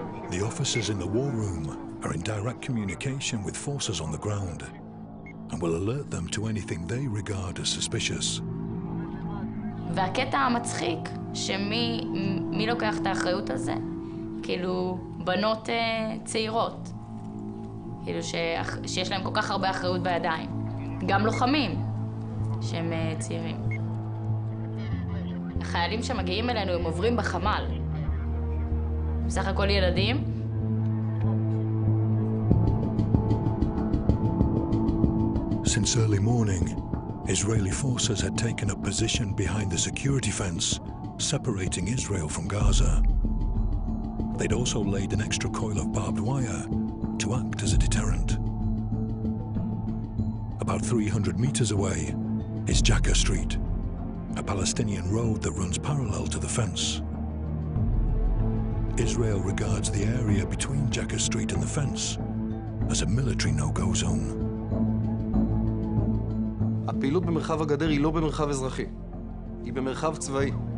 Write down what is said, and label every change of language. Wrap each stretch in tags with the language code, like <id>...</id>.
<en>The officers in the war room are in direct communication with forces on the ground and will alert them to anything they regard as suspicious.</en> <he>והקטע המצחיק, שמי מי לוקח את האחריות הזה? כאילו, בנות צעירות. כאילו, שיש להם כל כך הרבה אחריות בידיים. גם לוחמים שהם צעירים. החיילים שמגיעים אלינו, הם עוברים בחמ"ל. בסך הכל ילדים.</he> <en>Since early morning, Israeli forces had taken a position behind the security fence separating Israel from Gaza. They'd also laid an extra coil of barbed wire to act as a deterrent. About 300 meters away is Jaca Street, a Palestinian road that runs parallel to the fence. Israel regards the area between Jaca Street and the fence as a military no-go zone.</en> <he>הפעילות במרחב הגדר היא לא במרחב אזרחי, היא במרחב צבאי.</he>